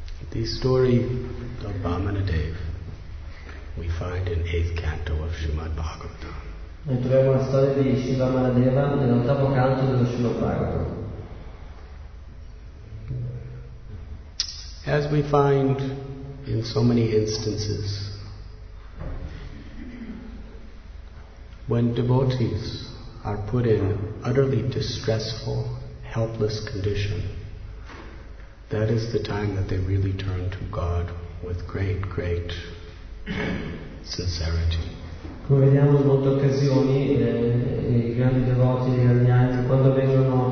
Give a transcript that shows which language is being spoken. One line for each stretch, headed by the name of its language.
English: The story of Vamana Dev we find in 8th canto of Srimad Bhagavatam.
Italian: Noi troviamo la storia di Shiva Manadeva nell'ottavo canto dello Srimad Bhagavatam.
English: As we find in so many instances, when devotees are put in utterly distressful, helpless condition, that is the time that they really turn to God with great, great sincerity.
Italian: Come vediamo in molte occasioni, i grandi devoti, i grandi anni, quando vengono